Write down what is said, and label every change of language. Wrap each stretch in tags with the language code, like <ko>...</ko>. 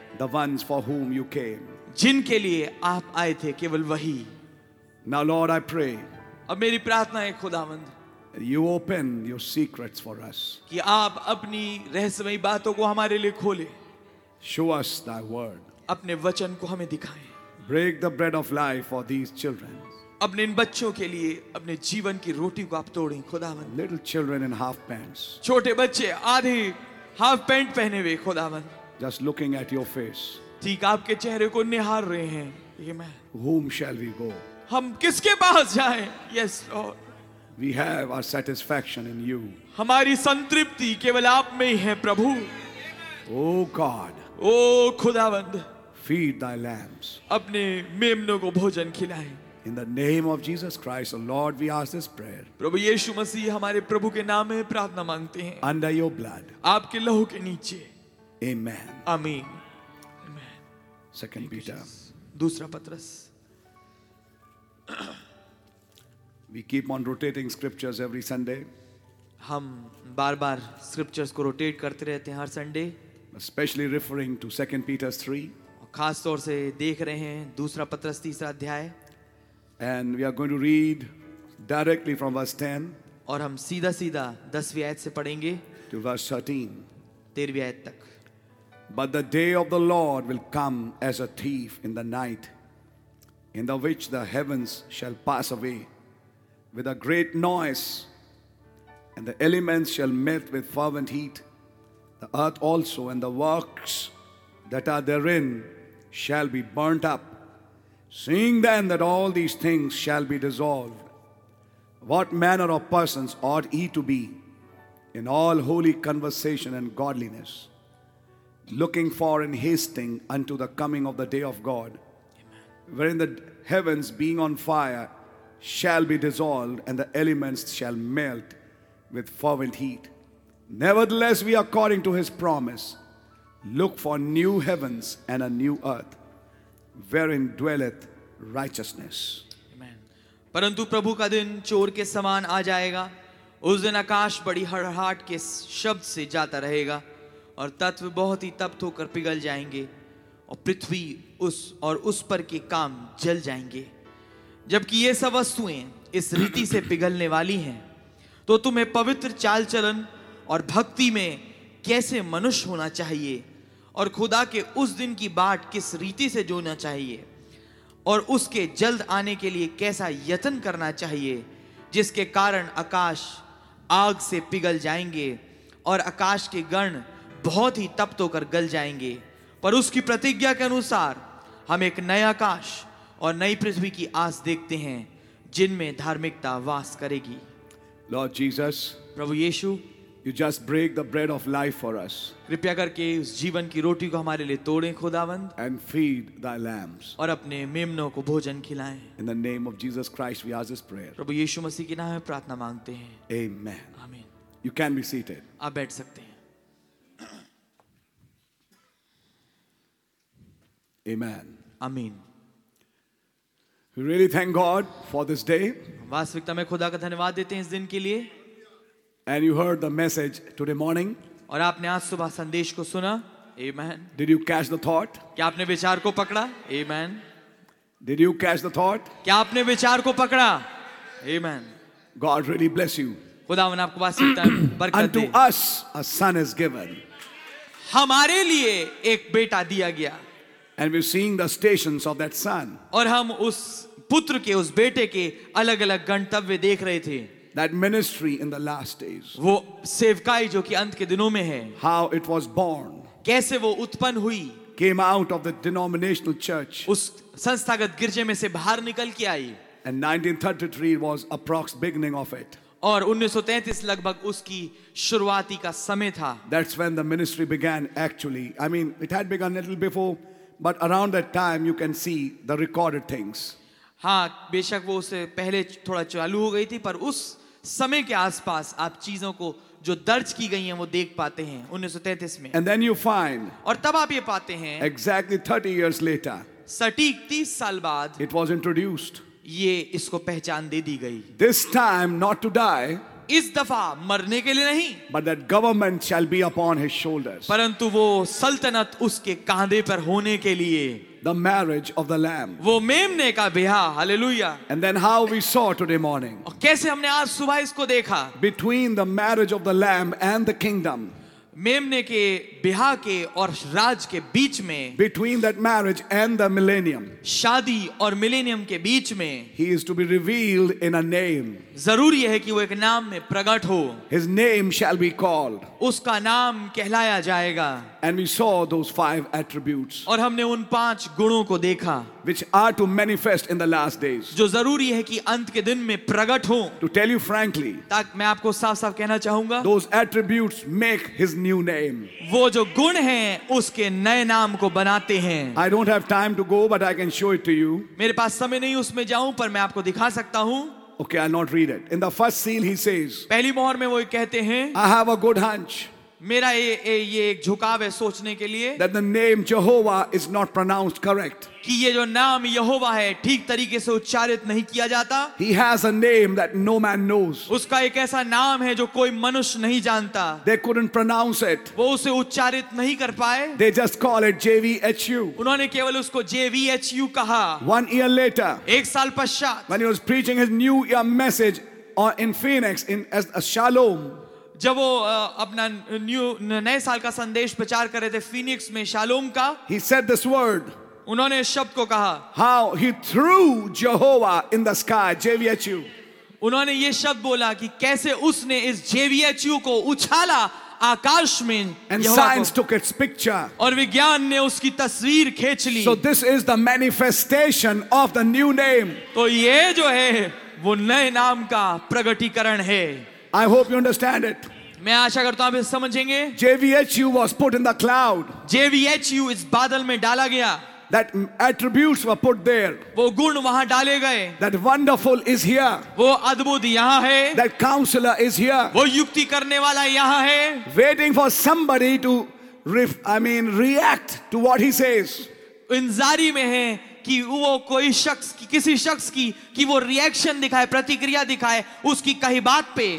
<en>the ones for whom you came,</en> <hi>जिनके लिए आप आए थे, केवल वही।</hi> <en>now Lord I pray,</en> <hi>अब मेरी प्रार्थना है खुदावंद,</hi> <en>you open your secrets for us,</en> <hi>कि आप अपनी रहस्यमयी बातों को हमारे लिए खोले,</hi> <en>Show us thy word.</en> <hi>अपने वचन को हमें दिखाएं.</hi> <en>Break the bread of life for these children.</en> <hi>अपने इन बच्चों के लिए अपने जीवन की रोटी को आप तोड़ें खुदावन.</hi> <en>Little children in half pants.</en> <hi>छोटे बच्चे आधे हाफ पैंट पहने हुए खुदावन.</hi> <en>Just looking at your face.</en> <hi>ठीक आपके चेहरे को निहार रहे हैं.</hi> <en>Amen. Whom shall we go?</en> <hi>हम किसके पास जाएं?</hi> <en>Yes, Lord. We have our satisfaction in you.</en> <hi>हमारी संतृप्ति केवल आप में ही है प्रभु.</hi> <en>Oh God.</en> <hi>ओ खुदावंद,</hi> <en>feed thy lambs.</en> <hi>अपने मेमनों को भोजन खिलाएं.</hi> <en>In the name of Jesus Christ, O Lord, we ask this prayer.</en> <hi>प्रभु यीशु मसीह, हमारे प्रभु के नाम में प्रार्थना मांगते हैं.</hi> <en>Under your blood.</en> <hi>आपके लहू के नीचे.</hi> <en>Amen.</en> <hi>आमीन.</hi> <en>Amen. Second Peter.</en> <hi>दूसरा पत्रस.</hi> <en>We keep on rotating scriptures every Sunday.</en> <hi>हम बार-बार scriptures को rotate करते रहते हैं हर Sunday.</hi> <en>Especially referring to 2 Peter 3.</en> <hi>खास तौर से देख रहे हैं दूसरा पत्रस तीसरा अध्याय.</hi> <en>And we are going to read directly from verse 10.</en> <hi>और हम सीधा सीधा दसवीं आयत से पढ़ेंगे.</hi> <en>To verse 13.</en> <hi>तेरहवीं आयत तक.</hi> <en>But the day of the Lord will come as a thief in the night, in the which the heavens shall pass away with a great noise, and the elements shall melt with fervent heat. The earth also and the works that are therein shall be burnt up. Seeing then that all these things shall be dissolved, what manner of persons ought ye to be in all holy conversation and godliness, looking for and hasting unto the coming of the day of God, Amen. Wherein the heavens being on fire shall be dissolved and the elements shall melt with fervent heat. Nevertheless, we according to his promise look for new heavens and a new earth wherein dwelleth righteousness. Amen.</en> <hi>परंतु प्रभु का दिन चोर के समान आ जाएगा. उस दिन आकाश बड़ी हड़हड़ाहट के शब्द से जाता रहेगा और तत्व बहुत ही तप्त होकर पिघल जाएंगे और पृथ्वी उस और उस पर के काम जल जाएंगे. जबकि ये सब वस्तुएं इस रीति से पिघलने वाली हैं तो तुम्हें पवित्र चाल चलन और भक्ति में कैसे मनुष्य होना चाहिए और खुदा के उस दिन की बाट किस रीति से जोना चाहिए और उसके जल्द आने के लिए कैसा यत्न करना चाहिए, जिसके कारण आकाश आग से पिघल जाएंगे और आकाश के गण बहुत ही तप्त होकर गल जाएंगे. पर उसकी प्रतिज्ञा के अनुसार हम एक नया आकाश और नई पृथ्वी की आस देखते हैं जिनमें धार्मिकता वास करेगी.</hi> <en>Lord Jesus,</en> <hi>Prabhu Yeshu,</hi> <en>You just break the bread of life for us.</en> <hi>कृपया करके उस जीवन की रोटी को हमारे लिए तोड़ें खुदावंद.</hi> <en>And feed thy lambs.</en> <hi>और अपने मेमनों को भोजन खिलाएं.</hi> <en>In the name of Jesus Christ, we ask this prayer.</en> <hi>प्रभु यीशु मसीह के नाम में प्रार्थना मांगते हैं.</hi> <en>Amen. Amen. You can be seated.</en> <hi>आप बैठ सकते हैं.</hi> <en>Amen. Amen. We really thank God for this day.</en> <hi>वास्तविकता में खुदा का धन्यवाद देते हैं इस दिन के लिए.</hi> <en>And you heard the message today morning.</en> <hi>और आपने आज सुबह संदेश को सुना.</hi> <en>Amen. Did you catch the thought?</en> <hi>क्या आपने विचार को पकड़ा?</hi> <en>Amen. Did you catch the thought?</en> <hi>क्या आपने विचार को पकड़ा?</hi> <en>Amen. God really bless you.</en> <hi>खुदावन आपको वास्तविकता बरकत दे.</hi> <en>Unto us a son is given.</en> <hi>हमारे लिए एक बेटा दिया गया.</hi> <en>And we're seeing the stations of that son.</en> <hi>और हम उस पुत्र के उस बेटे के अलग अलग गंतव्य देख रहे थे.</hi> <en>That ministry in the last days.</en> <hi>वो सेवकाई जो कि अंत के दिनों में है.</hi> <en>How it was born.</en> <hi>कैसे वो उत्पन्न हुई.</hi> <en>came out of the denominational church.</en> <hi>उस संस्थागत गिरजे में से बाहर निकल के आई.</hi> <en>And 1933 was approx beginning of it.</en> <hi>और 1933 लगभग उसकी शुरुआती का समय था.</hi> <en>That's when the ministry began actually. I mean, it had begun a little before, but around that time you can see the recorded things.</en> <hi>हाँ, बेशक वो उसे पहले थोड़ा चालू हो गई थी, पर उस समय के आसपास आप चीजों को जो दर्ज की गई हैं वो देख पाते हैं 1933 में.</hi> <en>And then you find.</en> <hi>और तब आप ये पाते हैं.</hi> <en>Exactly 30 years later.</en> <hi>सटीक 30 साल बाद.</hi> <en>It was introduced.</en> <hi>ये इसको पहचान दे दी गई.</hi> <en>This time not to die.</en> <hi>इस दफा मरने के लिए नहीं.</hi> <en>But that government shall be upon his shoulders.</en> <hi>परंतु वो सल्तनत उसके कांधे पर होने के लिए.</hi> <en>The marriage of the Lamb.</en> <hi>वो मेमने का ब्याह.</hi> <en>Hallelujah. And then how we saw today morning.</en> <hi>और कैसे हमने आज सुबह इसको देखा.</hi> <en>Between the marriage of the Lamb and the kingdom.</en> <hi>मेमने के ब्याह के और राज के बीच में.</hi> <en>Between that marriage and the millennium.</en> <hi>शादी और मिलेनियम के बीच में.</hi> <en>He is to be revealed in a name.</en> <hi>जरूरी है कि वो एक नाम में प्रकट हो.</hi> <en>His name shall be called.</en> <hi>उसका नाम कहलाया जाएगा.</hi> <en>And we saw those five attributes.</en> <hi>और हमने उन पांच गुणों को देखा.</hi> <en>Which are to manifest in the last days.</en> <hi>जो जरूरी है कि अंत के दिन में प्रकट हो.</hi> <en>To tell you frankly.</en> <hi>ताक मैं आपको साफ-साफ कहना चाहूँगा.</hi> <en>Those attributes make his new name.</en> <hi>वो जो गुण हैं उसके नए नाम को बनाते हैं.</hi> <en>I don't have time to go, but I can show it to you.</en> <hi>मेरे पास समय नहीं उसमें जाऊँ पर मैं आपको दिखा सकता हूँ.</hi> <en>Okay, I'll not read it. In the first seal, he says.</en> <hi>पहली मोहर में वो कहते हैं.</hi> <en>I have a good hunch.</en> <hi>मेरा ये एक झुकाव है सोचने के लिए.</hi> <en>That the name Jehovah is not pronounced correct.</en> <hi>कि ये जो नाम यहोवा है ठीक तरीके से उच्चारित नहीं किया जाता.</hi> <en>He has a name that no man knows.</en> <hi>उसका एक ऐसा नाम है जो कोई मनुष्य नहीं जानता.</hi> <en>They couldn't pronounce it.</en> <hi>वो उसे उच्चारित नहीं कर पाए.</hi> <en>They just call it JVHU.</en> <hi>उन्होंने केवल उसको JVHU कहा.</hi> <en>One year later.</en> <hi>एक साल पश्चात.</hi> <en>When he was preaching his new year message in Phoenix in as a Shalom.</en> <hi>जब वो अपना नए साल का संदेश प्रचार कर रहे थे फीनिक्स में शालोम का.</hi> <en>He said this word.</en> <hi>उन्होंने इस शब्द को कहा.</hi> <en>How he threw Jehovah in the sky, JVHU.</en> <hi>उन्होंने ये शब्द बोला कि कैसे उसने इस JVHU को उछाला आकाश में.</hi> <en>And science took its picture.</en> <hi>और विज्ञान ने उसकी तस्वीर खींच ली.</hi> <en>So this is the manifestation of the new name.</en> <hi>तो ये जो है वो नए नाम का प्रगटीकरण है.</hi> <en>I hope you understand it.</en> <hi>मैं आशा करता हूँ आप इसे समझेंगे.</hi> <en>JVHU was put in the cloud.</en> <hi>JVHU इस बादल में डाला गया.</hi> <en>That attributes were put there.</en> <hi>वो गुण वहाँ डाले गए.</hi> <en>That wonderful is here.</en> <hi>वो अद्भुत यहाँ है.</hi> <en>That counselor is here.</en> <hi>वो युक्ति करने वाला यहाँ है.</hi> <en>Waiting for somebody to, react to what he says.</en> <hi>इंतजारी में है कि वो कोई शख्स की किसी शख्स की कि वो रिएक्शन दिखाए प्रतिक्रिया दिखाए उसकी कही बात पे.</hi>